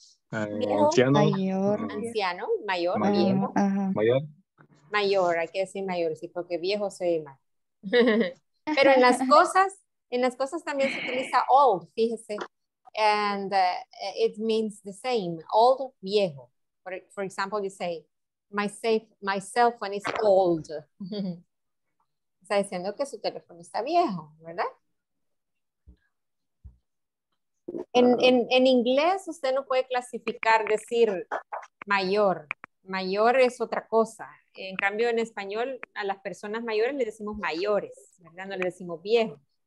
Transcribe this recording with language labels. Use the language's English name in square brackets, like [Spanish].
[Spanish] Anciano. Mayor. Anciano, mayor, viejo. Mayor. Mayor, hay que decir mayor, sí, porque viejo se ve mal. Pero en las cosas, también se utiliza old, fíjese. [English] And it means the same, old, viejo. For example, you say, my cell phone is old. [Spanish] Está diciendo que su teléfono está viejo, ¿verdad? En inglés usted no puede clasificar, decir mayor. Mayor es otra cosa. En cambio, en español, a las personas mayores le decimos mayores, ¿verdad? No le decimos viejo.